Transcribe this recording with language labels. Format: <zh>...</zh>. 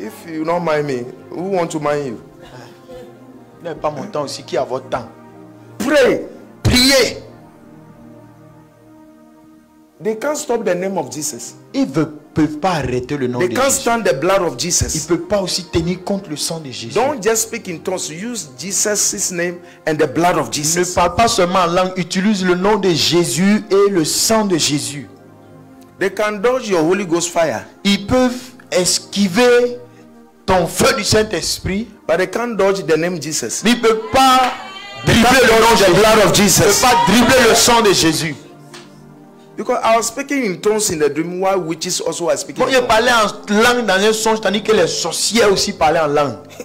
<en>If you don't mind me, who want to mind you?</en> <fr>N'est pas mon temps aussi, qui a votre temps?</fr> <en>Pray.</en> <fr>Priez.</fr> <en>They can't stop the name of Jesus.</en> <fr>Ils ne peuvent pas arrêter le nom</fr> <en>they</en> <fr>de</fr> <en>can't</en> <fr>Jésus.</fr> <en>Stand the blood of Jesus.</en> <fr>Ils ne peuvent pas aussi tenir compte le sang de Jésus.</fr> <en>Don't just speak in tongues. Use Jesus' name and the blood of Jesus.</en> <fr>Ne parle pas seulement en langue. Utilise le nom de Jésus et le sang de Jésus.</fr> <en>They can dodge your Holy Ghost fire.</en> <fr>Ils peuvent esquiver ton feu du Saint Esprit.</fr> <en>But they can't dodge the name Jesus.</en> <fr>Ils ne peuvent pas dribbler le nom de</fr> <en>the blood of Jesus.</en> <fr>Ils ne peuvent pas dribbler le sang de Jésus.</fr> <en>Because I was speaking in tongues in the dream, while witches also are speaking.</en> <fr>Quand il parlait en langue dans un songe, tandis que les sorcières aussi parlaient en langue.</fr>